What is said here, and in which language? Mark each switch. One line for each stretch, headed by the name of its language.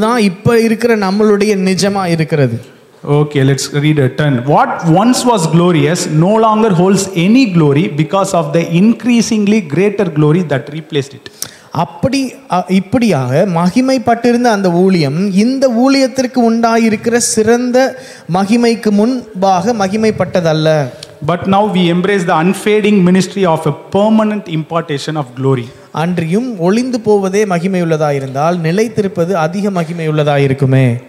Tamil: இப்ப இருக்கிற நம்மளுடைய நிஜமா இருக்கிறது.
English: Okay, let's read a turn. What once was glorious no longer holds any glory because of the increasingly greater glory that replaced it.
Tamil: அப்படி இப்படியாக மகிமைப்பட்டிருந்த அந்த ஊழியம் இந்த ஊழியத்திற்கு உண்டாயிருக்கிற சிறந்த மகிமைக்கு முன்பாக மகிமைப்பட்டதல்ல.
English: But now we embrace the unfading ministry of a permanent impartation of glory.
Tamil: அன்றியும் ஒளிந்து போவதே மகிமை உள்ளதா இருந்தால் நிலைத்திருப்பது அதிக மகிமை உள்ளதா இருக்குமே.